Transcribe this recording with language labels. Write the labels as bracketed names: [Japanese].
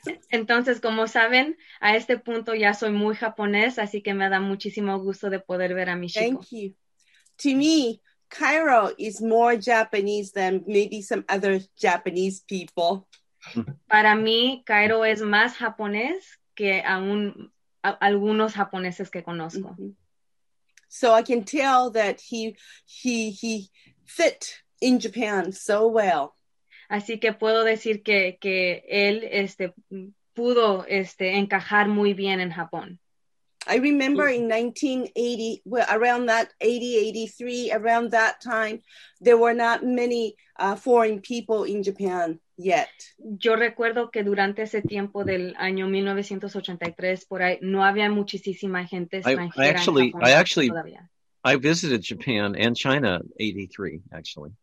[Spanish] Entonces, como saben, a este punto ya soy muy japonés, así que me da muchísimo gusto de poder ver a Michiko. [English] Thank you. To me, Cairo is more Japanese than maybe some other Japanese people. [Spanish] Para mí, Cairo es más japonés que algunos japoneses que conozco. [English] So I can tell that he fit in Japan so well. [Spanish] Así que puedo decir que él pudo encajar muy bien en Japón. [English] I remember in 1980, well, around that 80, 83, around that time, there were not many foreign people in Japan yet. [Spanish] Yo recuerdo que durante ese tiempo del año 1983, por ahí, no había muchísima gente extranjera [English] I actually, I visited Japan and China in 83, actually.